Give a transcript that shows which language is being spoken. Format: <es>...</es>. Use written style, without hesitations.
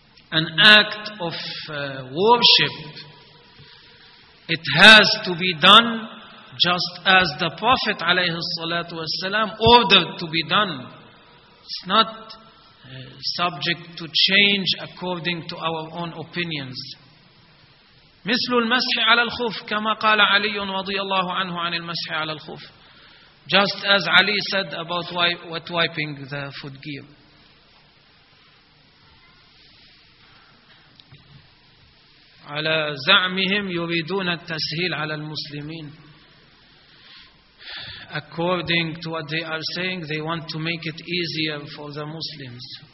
<en>This is an act of worship. It has to be done just as the Prophet</en> <ar>عليه الصلاة والسلام</ar> <en>ordered to be done. It's not subject to change according to our own opinions.</en> <ar>مثل المسح على الخف كما قال علي رضي الله عنه عن المسح على الخف.</ar> <en>Just as Ali said about wiping the foot gear.</en> <ar>على زعمهم يريدون التسهيل على المسلمين.</ar> <en>According to what they are saying, they want to make it easier for the Muslims.</en>